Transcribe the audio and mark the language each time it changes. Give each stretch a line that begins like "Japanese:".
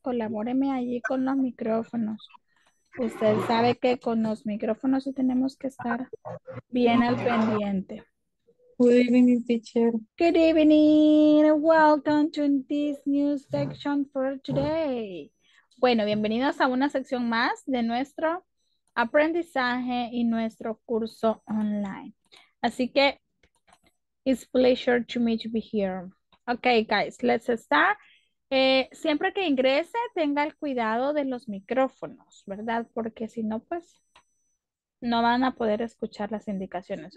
Spanish: Colabóreme allí con los micrófonos. Usted sabe que con los micrófonos sí tenemos que estar bien al pendiente.
English: Good evening, teacher. Good evening. Welcome to this new section for today.
Spanish: Bueno, bienvenidos a una sección más de nuestro aprendizaje y nuestro curso online.
English: Así que, it's a pleasure to meet you here. Okay, guys, let's start.
Spanish: Siempre que ingrese, tenga el cuidado de los micrófonos, ¿verdad? Porque si no, pues, no van a poder escuchar las indicaciones.